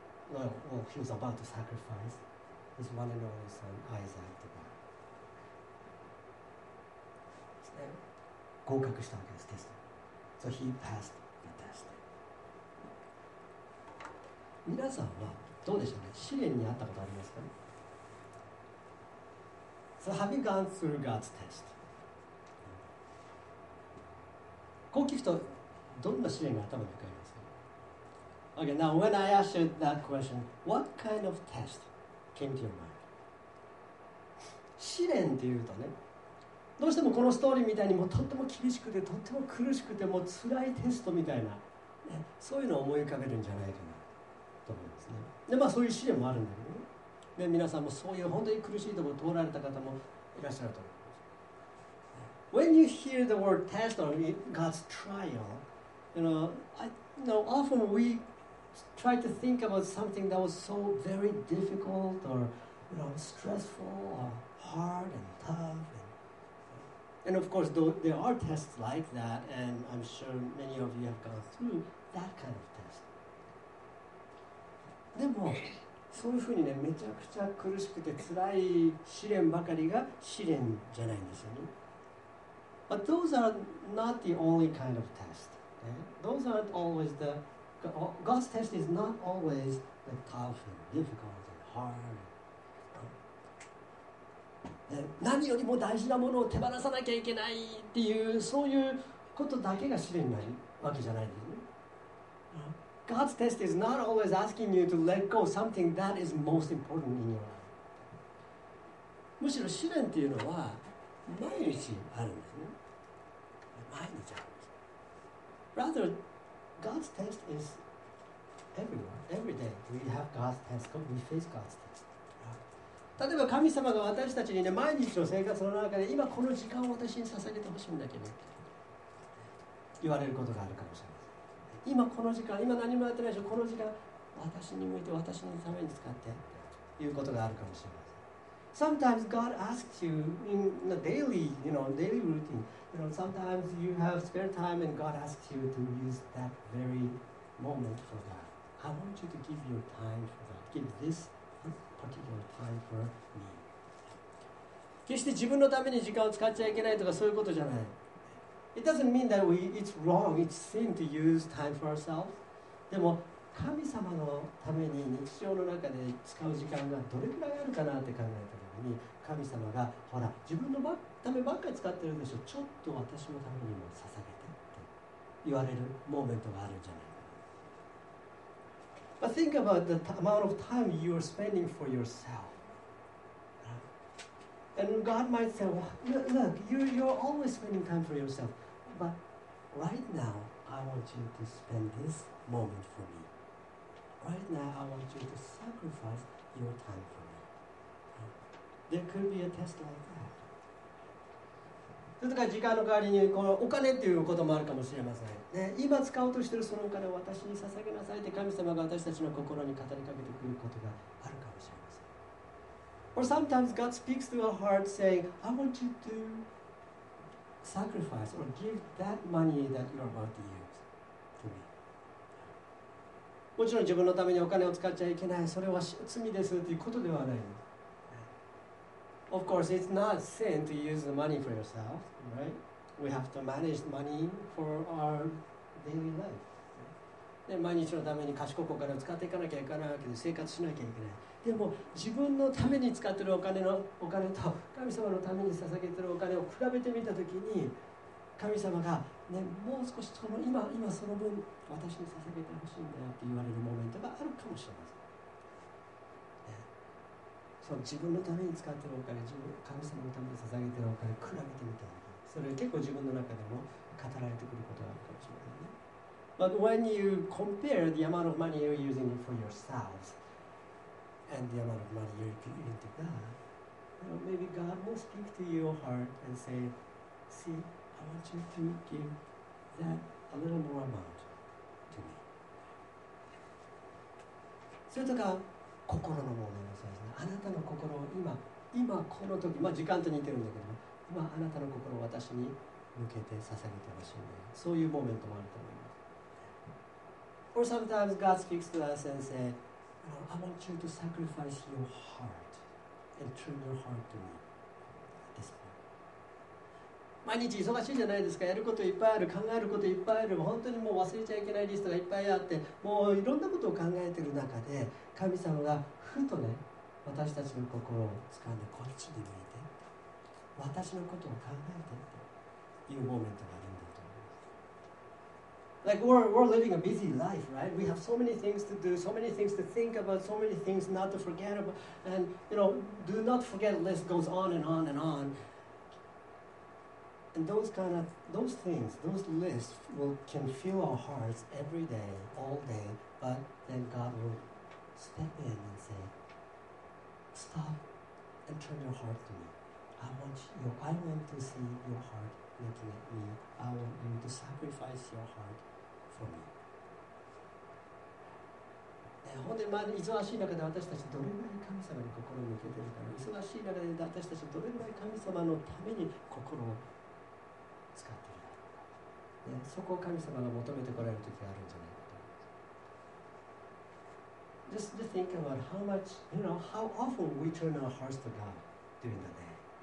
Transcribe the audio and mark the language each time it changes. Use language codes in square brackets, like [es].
[en] He was about to sacrifice his one and only son Isaac to God. [ja] ですね。合格したわけです、テスト。 [en] So he passed the test. [ja] 皆さんはどうでしょうね。試練にあったことありますか。 [en] So have you gone through God's test? [ja] こう聞くとどんな試練が頭に浮かびますか? [en] Okay, now when I ask you that question, what kind of test came to your mind? [ja] 試練というとね、どうしてもこのストーリーみたいにもうとっても厳しくて、とっても苦しくて、もう辛いテストみたいな、ね、そういうのを思い浮かべるんじゃないかなと思うんですね。で、まあそういう試練もあるんだけど、で皆さんもそういう本当に苦しいところを通られた方もいらっしゃると思います。 [en] When you hear the word test or God's trial, you know, often we try to think about something that was so very difficult or, you know, stressful or hard and tough. And of course, there are tests like that, and I'm sure many of you have gone through that kind of test. [ja] でも、そういうふうにね、めちゃくちゃ苦しくて辛い試練ばかりが試練じゃないんですよね。 [en] But those are not the only kind of test.、Okay? Those aren't always the... God's test is not always the tough and difficult and hard. And [ja] 何よりも大事なものを手放さなきゃいけないっていう、そういうことだけが試練になるわけじゃないですね。 [en] God's test is not always asking you to let go something that is most important in your life. [ja] むしろ試練っていうのは毎日あるんですね。毎日あるんです。 [en] Rather, God's test is everywhere. Every day we have God's test. We face God's test. [ja] 例えば神様が私たちにね、毎日の生活の中で今この時間を私に捧げてほしいんだけど、言われることがあるかもしれない。今この時間、今何もやってないでしょ、この時間、私に向いて、私のために使って、ということがあるかもしれません。 [en] Sometimes God asks you in the daily, you know, daily routine, you know, sometimes you have spare time and God asks you to use that very moment for God. I want you to give your time for God. Give this particular time for me. [ja] 決して自分のために時間を使っちゃいけないとか、そういうことじゃない。 [en] It doesn't mean that it's wrong, it's sin to use time for ourselves. [ja] でも神様のために日常の中で使う時間がどれくらいあるかなって考えたときに、神様がほら自分のためばっかり使ってるんでしょ、ちょっと私のためにも捧げてって言われるモーメントがあるんじゃないかな。 [en] But think about the amount of time you are spending for yourself. And God might say, well, look, you're always spending time for yourself. But right now, I want you to spend this moment for me. Right now, I want you to sacrifice your time for me. There could be a test like that. [ja] それとか時間の代わりにこのお金っていうこともあるかもしれません、ね。今使おうとしているそのお金を私に捧げなさいって神様が私たちの心に語りかけてくることがあるかもしれません。 [en] Or sometimes God speaks to our heart saying, I want you to sacrifice or give that money that you're about to use to me. [ja] もちろん自分のためにお金を使っちゃいけない、それは罪ですということではない。 [en] Of course, it's not sin to use the money for yourself, right? We have to manage money for our daily life. [ja] で、毎日のために賢くお金を使っていかなきゃいけないわけで、生活しなきゃいけない。でも、自分のために使っているお金と神様のために捧げているお金を比べてみたときに、神様が、ね、もう少しその今その分、私に捧げてほしいんだよって言われるモメントがあるかもしれません。その自分のために使っているお金、自分神様のために捧げているお金を比べてみたら、それ結構自分の中でも語られてくることがあるかもしれないね。 [en] But when you compare the amount of money you're using for yourself and the amount of money you're giving to God, you know, maybe God will speak to your heart and say, "See, I want you to give that a little more amount to me." [ja] それとか。心の問題もそうですね。あなたの心を今この時、まあ時間と似てるんだけど、今あなたの心を私に向けて捧げてほしいね。そういうモーメントもあると思います。 [en] Or sometimes God speaks to us and says, I want you to sacrifice your heart and turn your heart to me. This point. [ja] 毎日忙しいじゃないですか。やることいっぱいある、考えることいっぱいある、本当にもう忘れちゃいけないリストがいっぱいあって、もういろんなことを考えてる中で、神様がふとね、私たちの心を掴んでこっちに向いて、私のことを考えてっていうモーメントがあるんだと思います。 [en] Like we're living a busy life, right? We have so many things to do, so many things to think about, so many things not to forget about, and you know, do not forget list goes on and on and on. And those lists can fill our hearts every day, all day, but then God will. Step in and say, "Stop and turn your heart to me. I want to see your heart looking at me. I want you to sacrifice your heart for me." [ja] 本当に、まあ、忙しい中で私たちどれぐらい神様に心を向けているか、忙しい中で私たちどれぐらい神様のために心を使っているか、ね、そこを神様が求めてこられる時があるんじゃない。 [en] Just think about how much, you know, how often we turn our hearts to God during the day.